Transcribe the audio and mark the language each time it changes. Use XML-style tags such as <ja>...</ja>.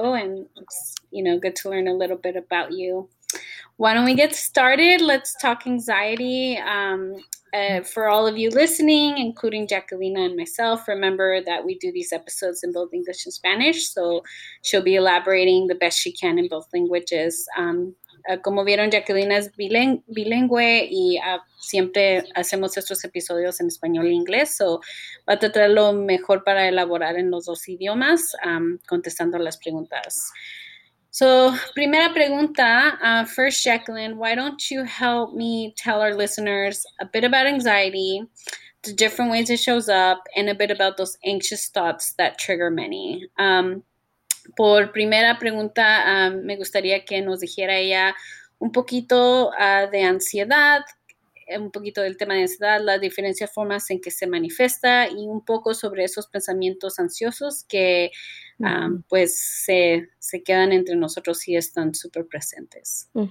<en>And it's, you know, good to learn a little bit about you. Why don't we get started? Let's talk anxiety. For all of you listening, including Jacqueline and myself, remember that we do these episodes in both English and Spanish. So she'll be elaborating the best she can in both languages.</en> <es>Como vieron, Jacqueline es bilingüe y siempre hacemos estos episodios en español e inglés. So, va a tratar lo mejor para elaborar en los dos idiomas, contestando las preguntas. So, primera pregunta.</es> <en>First, Jacqueline, why don't you help me tell our listeners a bit about anxiety, the different ways it shows up, and a bit about those anxious thoughts that trigger many?</en> <es>Por primera pregunta, me gustaría que nos dijera ella un poquito de ansiedad, un poquito del tema de ansiedad, las diferentes formas en que se manifiesta y un poco sobre esos pensamientos ansiosos que pues se quedan entre nosotros y están súper presentes.</es>